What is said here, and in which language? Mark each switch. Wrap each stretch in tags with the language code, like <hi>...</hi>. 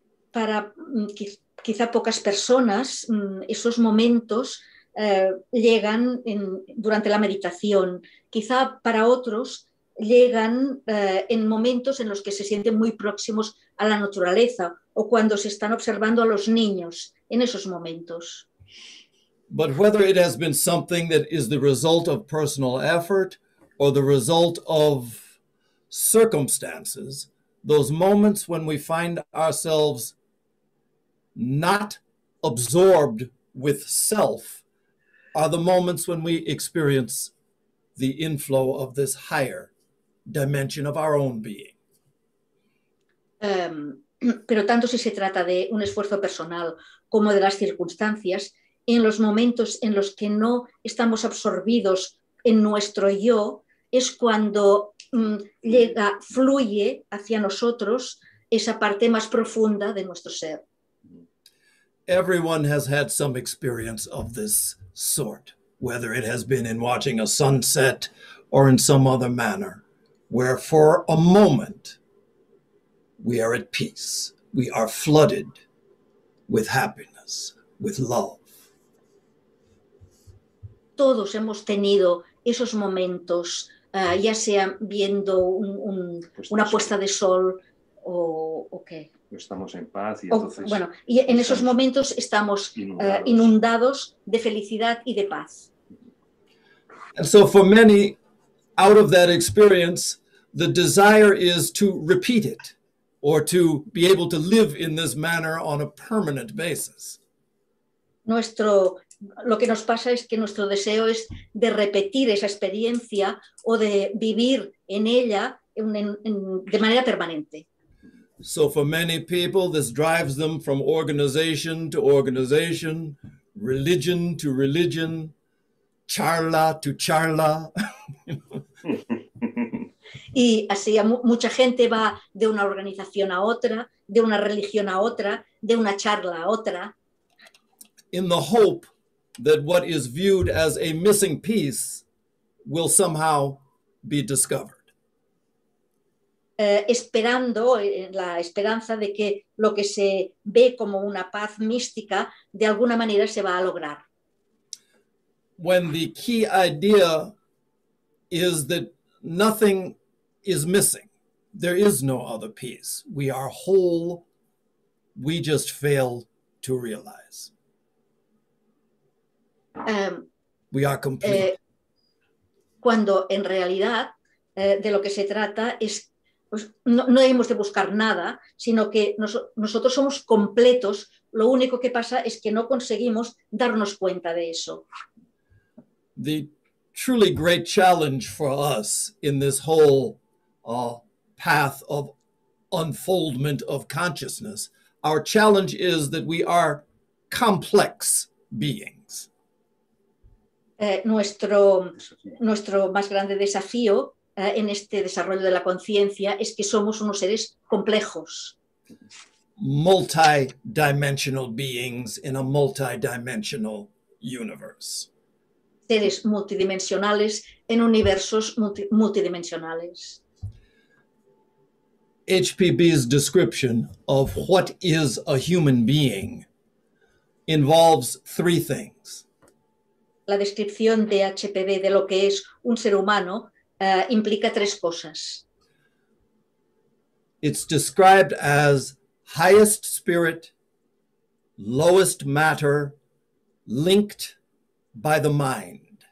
<es>Para quizá pocas personas, esos momentos llegan durante la meditación. Quizá para otros llegan en momentos en los que se sienten muy próximos a la naturaleza o cuando se están observando a los niños en esos momentos.</es> <en>But whether it has been something that is the result of personal effort or the result of circumstances, those moments when we find ourselves not absorbed with self are the moments when we experience the inflow of this higher dimension of our own being.</en> <es>Pero tanto si se trata de un esfuerzo personal como de las circunstancias, en los momentos en los que no estamos absorbidos en nuestro yo, es cuando fluye hacia nosotros esa parte más profunda de nuestro ser.</es> <en>everyone has had some experience of this sort, whether it has been in watching a sunset or in some other manner, where for a moment we are at peace. We are flooded with happiness, with love.</en> <es>Todos hemos tenido esos momentos, ya sea viendo una puesta de sol o qué. Estamos en paz y entonces... Bueno, y en esos momentos estamos inundados de felicidad y de paz.</es> <en>And so for many, out of that experience, the desire is to repeat it or to be able to live in this manner on a permanent basis.</en> <es>Lo que nos pasa es que nuestro deseo es de repetir esa experiencia o de vivir en ella de manera permanente.</es> <en>So for many people, this drives them from organization to organization, religion to religion, charla to charla.</en> <es>Y así mucha gente va de una organización a otra, de una religión a otra, de una charla a otra.</es> <en>In the hope that what is viewed as a missing piece will somehow be discovered.</en> <es>Esperando la esperanza de que lo que se ve como una paz mística de alguna manera se va a lograr.</es> <en>When the key idea is that nothing is missing, there is no other piece. We are whole, we just fail to realize. We are complete.</en> <es>Cuando en realidad de lo que se trata es pues no hemos de buscar nada, sino que nosotros somos completos. Lo único que pasa es que no conseguimos darnos cuenta de eso.</es> <en>The truly great challenge for us in this whole path of unfoldment of consciousness, our challenge is that we are complex beings.</en> <es>Nuestro más grande desafío en este desarrollo de la conciencia es que somos unos seres complejos.</es> <en>Multidimensional beings in a multidimensional universe.</en> <es>Seres multidimensionales en universos multidimensionales.</es> <en>HPB's description of what is a human being involves three things.</en> <es>La descripción de HPB de lo que es un ser humano implica tres cosas.</es> <en>It's described as highest spirit, lowest matter, linked by the mind.</en>